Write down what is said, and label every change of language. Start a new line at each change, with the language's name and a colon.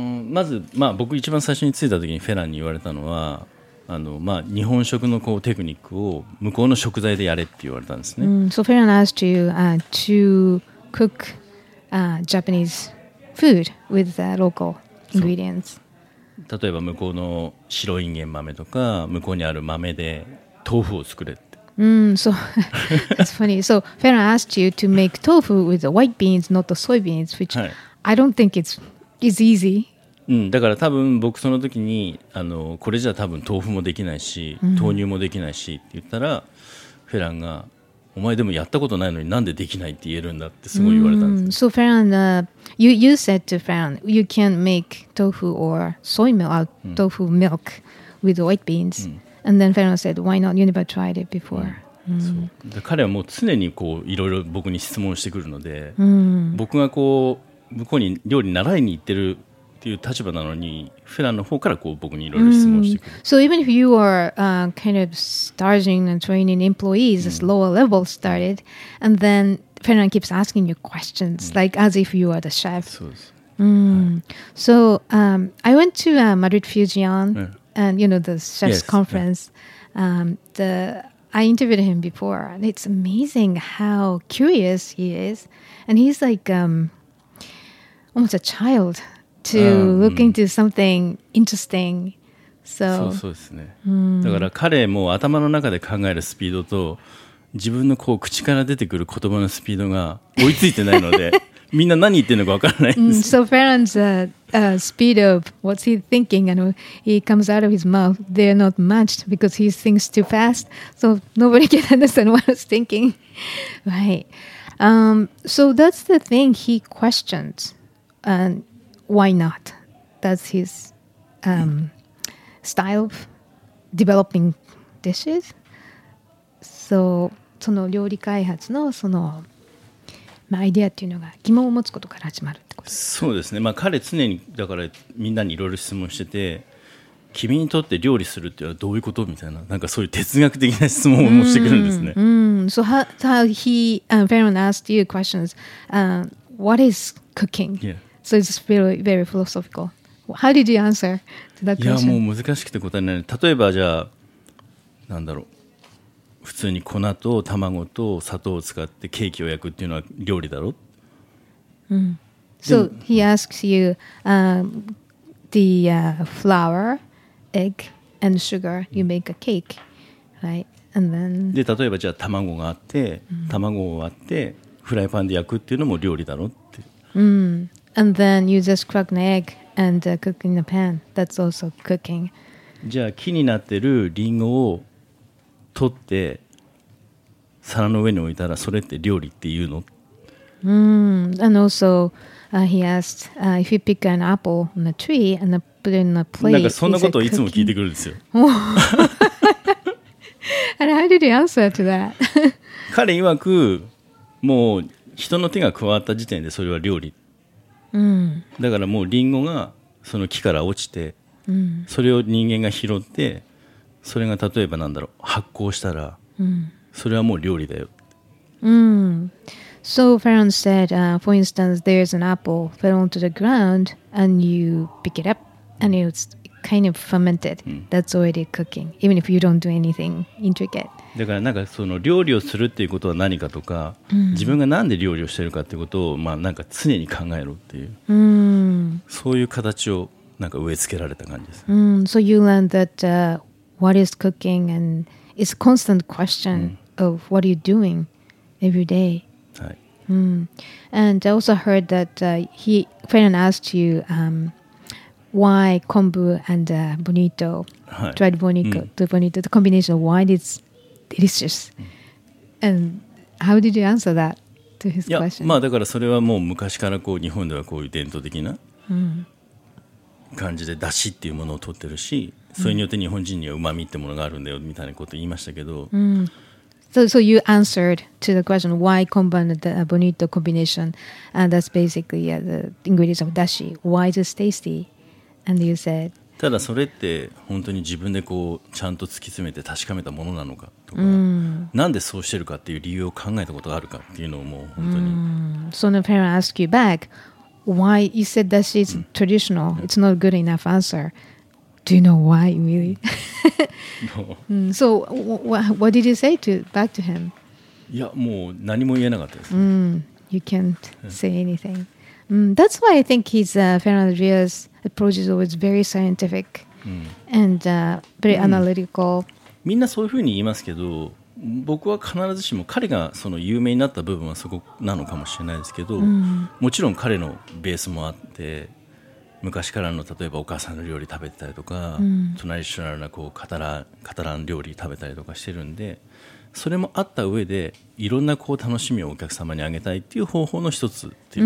Japanese: まず、僕一番最初に着いた時にフェランに言われたのは、日本食のこうテクニックを向こうの食材でやれって言われたんですね。
English: So Ferran asked you to cook Japanese food with local ingredients.
Japanese: 例えば向こうの白いんげん豆とか向こうにある豆で豆腐を作れって。
English: So that's funny. So Ferran asked you to make tofu with the white beans, not the soybeans, which、はい、I don't think it's easy.
Japanese: うん、だから多分僕その時にあのこれじゃ多分豆腐もできないし豆乳もできないしって言ったら、うん、フェランがお前でもやったことないのになんでできないって言えるんだってすごい言われたんです、うん、
English: So Ferran、you said to Ferran you can't make tofu or soy milk、うん、tofu milk with white beans、うん、and then Ferran said why not you never tried it before、うん
Japanese: うん、そう彼はもう常にこういろいろ僕に質問してくるので、うん、僕がこう向こうに料理習いに行ってるという立場なのに、普段の方からこう僕にいろいろ質問してくる。
English: So even if you are、kind of starting and training employees,、うん、this lower level started, and then Ferran keeps asking you questions,、うん、like as if you are the chef.
Japanese: そうです。
English: So、I went to、Madrid Fusion,、うん、and you know the chef's yes, conference.、Yeah. I interviewed him before, and it's amazing how curious he is, and he's like、almost a child. To look into something interesting. So,
Japanese: そうですね。だから彼も頭の中で考えるスピードと自分のこう口から出てくる言葉のスピードが追いついてないので、みんな何言ってるのか分からないんです。
English: So Ferran's speed of what's he thinking and he comes out of his mouth, they're not matched because he thinks too fast. So nobody can understand what he's thinking. Right. So that's the thing he questions. And Why not? That's his、style of developing dishes.
Japanese: So, その料理開発のその、まあ、アイデアっていうのが疑問を持つことから始まるってことですか？そうですね。まあ、彼常にだからみんなにいろいろ質問してて、君にとって料理するっていうのはどういうことみたいな、なんかそういう哲学的な質問をしてくるんですね。
English: So how he, Ferran asked you questions,、what is cooking?、 Yeah. So it's very, very philosophical. How did you answer to that question?
Japanese: いやもう難しくて答えない。例えばじゃあなんだろう普通に粉と卵と砂糖を使ってケーキを焼くっていうのは料理だろ。うん。
English: So he asks you、the、flour, egg, and sugar. You make a cake, right? And then
Japanese: で例えばじゃあ卵があって、卵を割ってフライパンで焼くっていうのも料理だろって。
English: うん。And then you just crack an egg and、cook in a pan. That's also cooking.
Japanese: じゃあ木になってるリンゴを取って皿の上に置いたらそれって料理っていうの？
English: And also、he asked、if you pick an apple on a tree and put it in a plate.
Japanese: なんかそんなことをいつも聞いてくるんですよ。
English: And how did you answer to that?
Japanese: 彼曰くもう人の手が加わった時点でそれは料理。だからもうリンゴがその木から落ちて、それを人間が拾って、それが例えばなんだろう発酵したら、それはもう料理だよ。
English: So Ferran said,、for instance, there's an apple fell onto the ground and you pick it up and it's kind of fermented.、That's already cooking, even if you don't do anything intricate.
Japanese: だからなんかその料理をするっていうことは何かとか、自分がなんで料理をしてるかっていうことをまあなんか常に考えろっていう、そういう形をなんか植え付けられた感じです。
English: So you learned that、what is cooking and it's a constant question、of what are you doing every day.
Japanese: はい。
English: And I also heard that、Ferran asked you、why kombu and、bonito,、
Japanese: はい、
English: dried bonito,、to bonito, the combination of why it'sDelicious. And how did you answer that to his question?
Japanese: まあだからそれはもう昔からこう日本ではこういう伝統的な感じで出汁っていうものを取ってるし、それによって日本人には旨味ってものがあるんだよみたいなことを言いましたけど。
English: So you answered to the question why combine the bonito combination and that's basically yeah, the ingredients of dashi. Why is it tasty? And you said.
Japanese: ただそれって本当に自分でこうちゃんと突き詰めて確かめたものなのかとか、なんでそうしてるかっていう理由を考えたことがあるかっていうのをもう本当に。
English: So the parent asked you back, why you said that she's traditional?、It's not a good enough answer. Do you know why, really? No. So what did you say to, back to him?
Japanese: いや、もう何も言えなかったです、ね。
English: You can't say anything. That's why I think he's Ferran Adrià's the process was very scientific、mm. and very analytical、mm.
Japanese: みんなそういうふうに言いますけど、僕は必ずしも彼がその有名になった部分はそこなのかもしれないですけど、うん、もちろん彼のベースもあって、昔からの例えばお母さんの料理食べてたりとか、うん、トラディショナルなこうカタラン料理食べたりとかしてるんで、それもあった上でいろんなこう楽しみをお客様にあげたいっていう方法の一つっていう、